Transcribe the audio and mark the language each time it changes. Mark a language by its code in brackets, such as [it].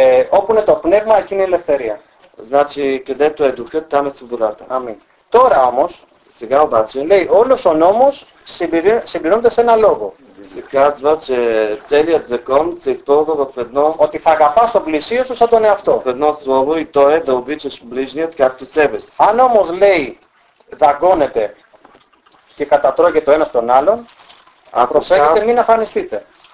[el] Όπου είναι το πνεύμα, εκεί είναι η ελευθερία. [bg] Значи, където е духът, там е свободата. [el] Αμήν. Τώρα όμως, σιγά ομπάτσι, λέει, όλος ο νόμος συμπληρώνεται σε ένα λόγο. [bg] Казва, че целият закон се използва в едно... [el] Ότι θα αγαπάς τον πλησίον σου σαν τον εαυτό. [bg] В едно слово и то е да обичаш ближният както себе си. [el] Αν όμως λέει, δαγκώνεται και κατατρώγεται το ένα στον άλλον, προσέχετε, μην αφανιστείτε.